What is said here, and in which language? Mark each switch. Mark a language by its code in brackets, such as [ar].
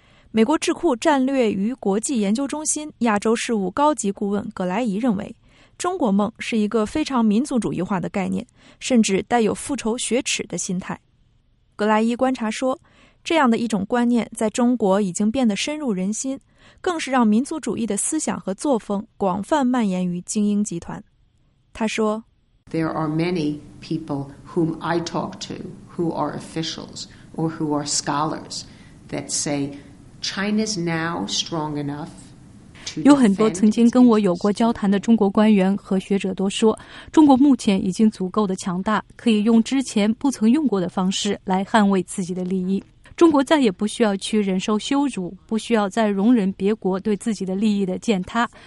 [zh] 美国智库战略与国际研究中心亚洲事务高级顾问葛莱仪认为，中国梦是一个非常民族主义化的概念，甚至带有复仇雪耻的心态。葛莱仪观察说，这样的一种观念在中国已经变得深入人心，更是让民族主义的思想和作风广泛蔓延于精英集团。他说 [en] ：“There are many people whom I talk to who are officials or who are scholars that say China's now strong enough to。” [zh] 有很多曾经跟我有过交谈的中国官员和学者都说，中国目前已经足够的强大，可以用之前不曾用过的方式来捍卫自己的利益。中国再也不需要去忍受羞辱，不需要再容忍别国对自己的利益的践踏。